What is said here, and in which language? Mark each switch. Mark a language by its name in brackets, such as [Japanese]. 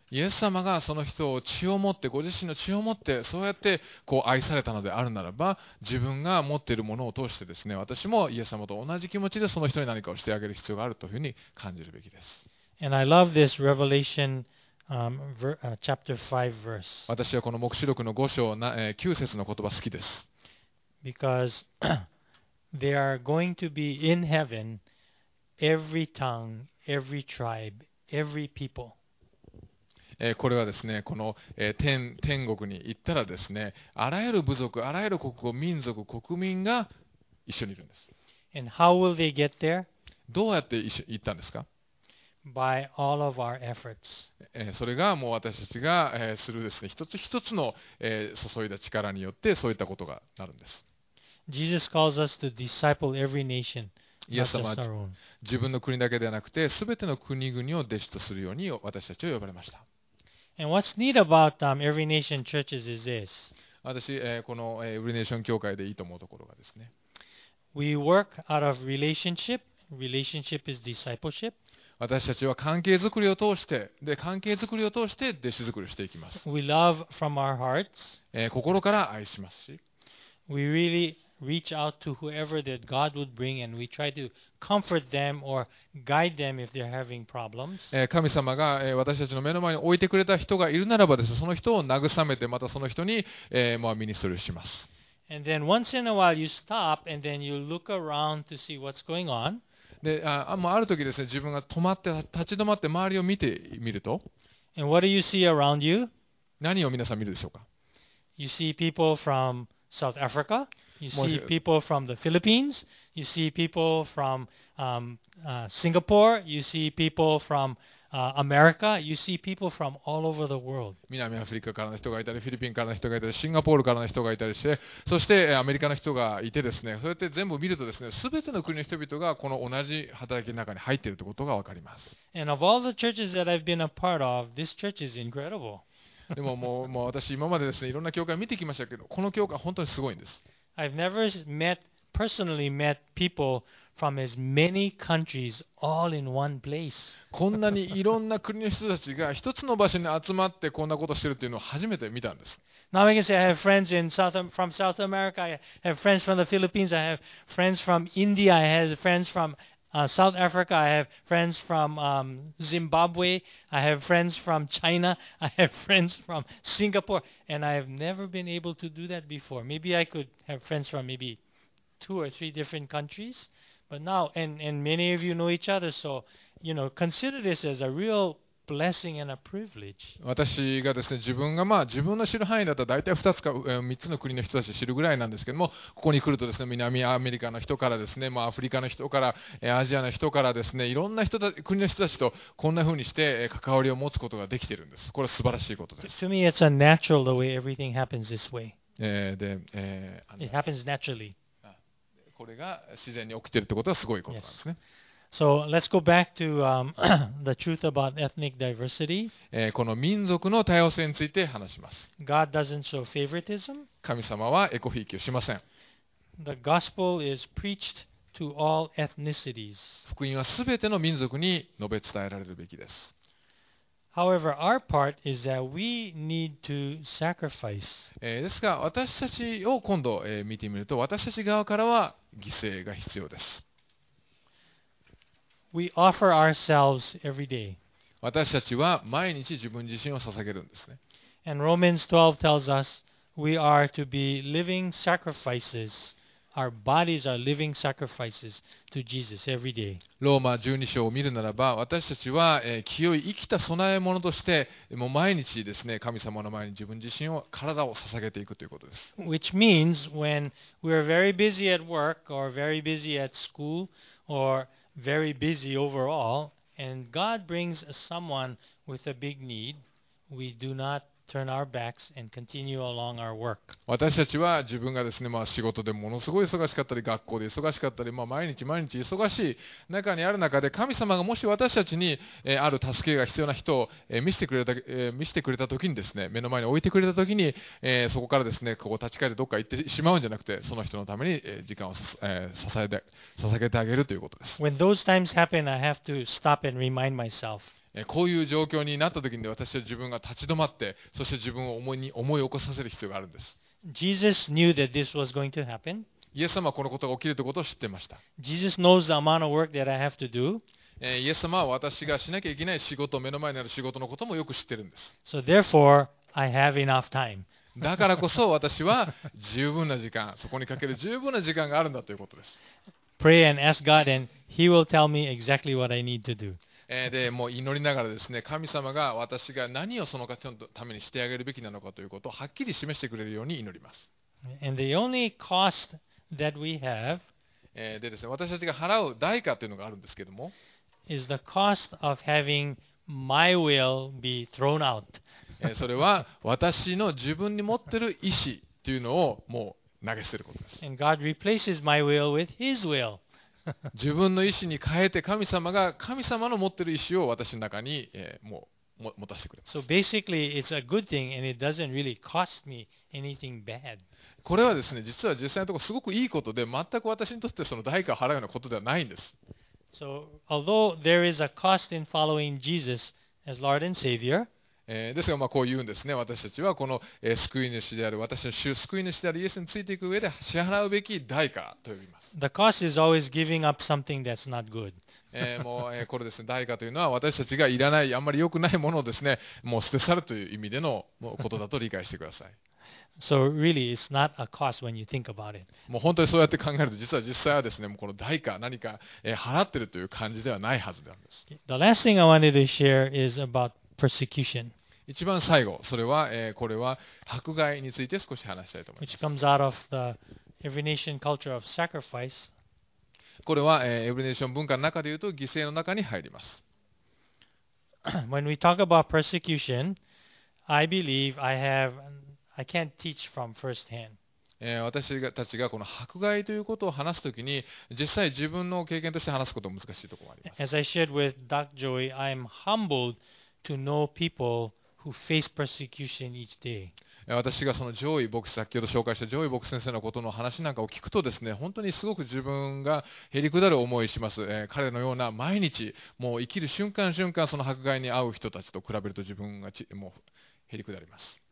[Japanese] イエス様がその人を血を持ってご自身の血を持ってそうやってこう愛されたのであるならば、自分が持っているものを通してですね、私もイエス様と同じ気持ちでその人に何かをしてあげる必要があるというふうに感じるべきです。 [English] And I love this Revelation, chapter 5 verse. [Japanese] 私はこの黙示録の5章な、9節の言葉好きです。 [English] Because they are going to be in heaven every tongue, every tribeEvery people. [Japanese] これはですね、この、天国に行ったらですね、あらゆる部族、あらゆる国語、民族、国民が一緒にいるんです。 [English] And how will they get there? [Japanese] どうやって行ったんですか? [English] By all of our efforts. [Japanese] それがもう私たちが、するですね、一つ一つの、注いだ力によってそういったことがなるんです。 [English] Jesus calls us to disciple every nation. [Japanese] イエス様は自分の国だけではなくて、すべての国々を弟子とするように私たちを呼ばれました。 [English] And what's neat about Every Nation Churches is this. [Japanese] 私、このEvery Nation教会でいいと思うところがですね。 [English] We work out of relationship. Relationship is discipleship. [Japanese] 私たちは関係づくりを通して、で、関係づくりを通して弟子づくりをしていきます。 [English] We love from our hearts. [Japanese] 心から愛しますし。 [English] We really reach out to whoever that God would bring, and we try to comfort them or guide them if they're having problems. [Japanese] 神様が私たちの目の前に置いてくれた人がいるならばです。その人を慰めて、またその人に、まあ、ミニストリーします。 [English] And then once in a while you stop and then you look around to see what's going on. [Japanese] で、もうある時ですね、自分が止まって立ち止まって周りを見てみると。 [English] And what do you see around you? [Japanese] 何を皆さん見るでしょうか。 [English] You see people from South Africa. You see people from the Philippines. You see people from Singapore. You see people from America. You see people from all over the world. [Japanese] 南アフリカからの人がいたり、フィリピンからの人がいたり、シンガポールからの人がいたりして、そしてアメリカの人がいてですね、そうやって全部見るとですね、すべての国の人々がこの同じ働きの中に入っているということがわかります。 [English] And of all the churches that I've been a part of, this church is incredible. [Japanese] でも、もう私今までですね、いろんな教会を見てきましたけど、この教会本当にすごいんです。 [English] I've never met, personally met people from as many countries all in one place. [Japanese] こんなにいろんな国の人たちが一つの場所に集まってこんなことをしてるっていうのを初めて見たんです。 [English] Now I can say I have friends in South, from South America, I have friends from the Philippines, I have friends from India, I have friends from South Africa, I have friends from Zimbabwe, I have friends from China, I have friends from Singapore, and I have never been able to do that before. Maybe I could have friends from maybe two or three different countries, but now, and many of you know each other, so, you know, consider this as a real... Blessing and a privilege. [Japanese] 私がですね、自分がまあ自分の知る範囲だったら大体2つか3つの国の人たちを知るぐらいなんですけども、ここに来るとですね、南アメリカの人からですね、まあ、アフリカの人からアジアの人からですね、いろんな人た国の人たちとこんな風にして関わりを持つことができているんです。これは素晴らしいことです。 [English] To me, it's a natural the way everything happens this way. It happens naturally. [Japanese] これが自然に起きているってことはすごいことなんですね。 [English] Yes. So let's go back to the truth about ethnic diversity. [Japanese] この民族の多様性について話します。 [English] God doesn't show favoritism. [Japanese] 神様はエコひいきをしません。 [English] The gospel is preached to all ethnicities. [Japanese] 福音はすべての民族に述べ伝えられるべきです。 [English] However, our part is that we need to sacrifice. [Japanese] ですが、私たちを今度見てみると、私たち側からは犠牲が必要です。 [English] We offer ourselves every day. [Japanese] 私たちは毎日自分自身を捧げるんですね。 [English] And Romans 12 tells us we are to be living sacrifices. Our bodies are living sacrifices to Jesus every day. [Japanese] ローマ12章を見るならば、私たちは清い生きた供え物として、もう毎日ですね、神様の前に自分自身を体を捧げていくということです。 [English] Which means when we are very busy at work or very busy at school or Very busy overall, and God brings someone with a big need. We do not turn our backs and continue along our work. [Japanese] 私たちは自分がですね、まあ仕事でものすごい忙しかったり、学校で忙しかったり、まあ毎日毎日忙しい中にある中で、神様がもし私たちにある助けが必要な人を見せてくれた時にですね、目の前に置いてくれた時に、そこからですね、ここ立ち返ってどっか行ってしまうんじゃなくて、その人のために時間を捧げてあげるということです。 [English] When those times happen, I have to stop and remind myself. [Japanese] こういう状況になった時に私は自分が立ち止まって、そして自分を思い起こさせる必要があるんです。 [English] Jesus knew that this was going to happen. [Japanese] イエス様はこのことが起きるということを知っていました。 [English] Jesus knows the amount of work that I have to do. [Japanese] イエス様は私がしなきゃいけない仕事、目の前にある仕事のこともよく知っているんです。 [English] So therefore, I have enough time. [Japanese] だからこそ私は十分な時間、そこにかける十分な時間があるんだということです。 [English] Pray and ask God and He will tell me exactly what I need to do. [Japanese] でもう祈りながらですね、神様が私が何をその方のためにしてあげるべきなのかということをはっきり示してくれるように祈ります。 [English] And the only cost that we have [Japanese] でですね、私たちが払う代価というのがあるんですけども、 [English] is the cost of having my will be thrown out. [Japanese] それは私の自分に持っている意思というのをもう投げ捨てることです。 [English] And God replaces my will with His will. [Japanese] 自分の意思に変えて神様が神様の持っている意思を私の中に、もう持たせてくれます。 [English] So basically it's a good thing and it doesn't really cost me anything bad. [Japanese] これはですね、実は実際のところすごくいいことで、全く私にとってその代価を払うようなことではないんです。 [English] So although there is a cost in following Jesus as Lord and Savior, [Japanese] ですが、まあ、こう言うんですね。私たちはこの、救い主である、私の主、救い主であるイエスについていく上で支払うべき代価と呼びます。 [English] The cost is always giving up something that's not good. [Japanese] もう、これですね、代価というのは私たちがいらない、あんまり良くないものをですね、もう捨て去るという意味でのことだと理解してください。 [English] So really, it's not a cost when you think about it. [Japanese] もう本当にそうやって考えると、実際はですね、もうこの代価、何か払ってるという感じではないはずなんです。 [English] The last thing I wanted to share is about persecution. [Japanese] 一番最後、それは、これは迫害について少し話したいと思います。 [English] Which comes out of the every nation culture of sacrifice. [Japanese] これは、every nation文化の中でいうと犠牲の中に入ります。 [English] When we talk about persecution, I believe I have... I can't teach from first hand. [Japanese] 私たちがこの迫害ということを話すときに、実際自分の経験として話すことは難しいところがあります。 [English] As I shared with Dr. Joy, I'm humbled to know people who face persecution each day. [Japanese] 私がそのジョイ牧師、先ほど紹介したジョイ牧師先生のことの話なんかを聞くとですね、本当にすごく自分がへりくだる思いします。彼のような毎日、もう生きる瞬間瞬間、その迫害に遭う人たちと比べると自分がもうへりくだります。